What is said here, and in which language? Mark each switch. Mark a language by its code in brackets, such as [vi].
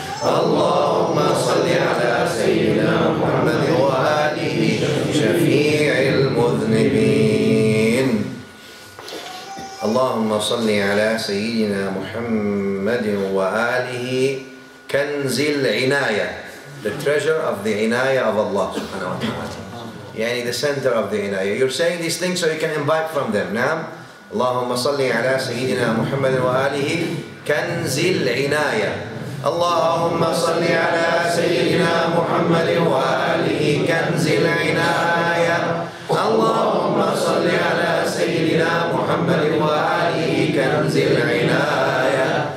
[ar] اللهم صل على سيدنا محمد وآله شفيع المذنبين. اللهم صل على سيدنا محمد وآله كنز العناية. [en] The treasure of the inayah of Allah subhanahu wa ta'ala. يعني the center of the inayah. You're saying these things so you can imbibe from them. [ar] نعم. اللهم صل على سيدنا محمد وآله كنز العناية. اللهم صل على سيدنا محمد وآله كنز العناية. اللهم صل على سيدنا محمد وآله كنز العناية.